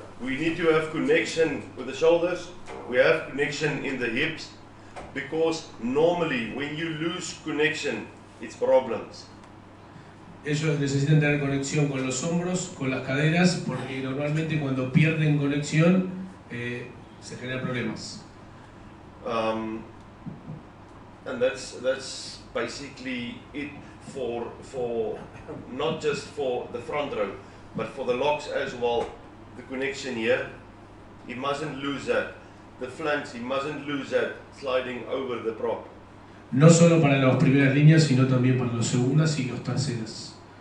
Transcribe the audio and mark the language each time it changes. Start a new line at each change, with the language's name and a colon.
English: We need to have connection with the shoulders. We have connection in the hips. Because normally when you lose connection, it's problems.
Spanish: Ellos necesitan tener conexión con los hombros, con las caderas, porque normalmente cuando pierden conexión, se generan problemas.
English: And that's basically it for not just for the front row, but for the locks as well. The connection here, he mustn't lose that. The flanks, he mustn't lose that sliding over the prop.
Spanish: No solo para las primeras líneas, sino también para las segundas y los terceras.